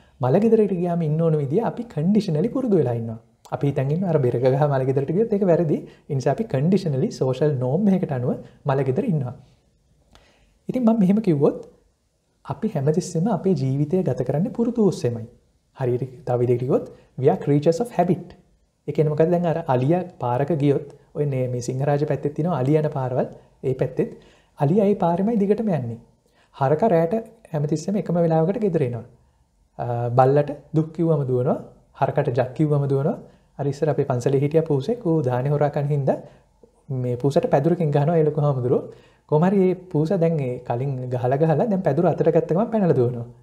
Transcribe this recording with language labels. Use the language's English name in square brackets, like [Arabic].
[Sinhala] මලගෙදරට ගියාම ඉන්න ඕන විදිය අපි කන්ඩිෂනලි පුරුදු වෙලා ඉන්නවා. අපි හිතන් ඉන්නවා අර බෙරක ගහ මලගෙදරට ගියොත් ඒක වැරදි. ඒ නිසා අපි කන්ඩිෂනලි සෝෂල් නෝම් එකකට අනුව මලගෙදර ඉන්නවා. ඉතින් මම මෙහෙම කිව්වොත් අපි හැමතිස්සෙම අපේ ජීවිතය ගත කරන්නේ පුරුදු ඔස්සේමයි. හරියට තව විදියකට කිව්වොත් [English] we are creatures of habit. [Sinhala] ඒ කියන්නේ මොකද? දැන් අර අලියා පාරක ගියොත් ඔය මේ සිංහරාජ පැත්තේ තියෙන අලියාන පාරවල් ඒ පැත්තෙත් අලියා ඒ පාරෙමයි දිගටම යන්නේ. හරක රෑට හැමතිස්සෙම එකම වෙලාවකට ගෙදර එනවා. බල්ලට දුක් කිව්වම දුවනවා, හරකට ජක් කිව්වම දුවනවා. අර ඉස්සර අපේ පන්සලේ හිටියා පූසෙක්, ඌ ධානේ හොරා කන හිඳ මේ පූසට පැදුරකින් ගහනවා. ඒ ලොකු හාමුදුරුවෝ කොහොම හරි ඒ පූසා දැන් ඒ කලින් ගහලා ගහලා දැන් පැදුර අතට ගත්ත ගමන් පැනලා දුවනවා.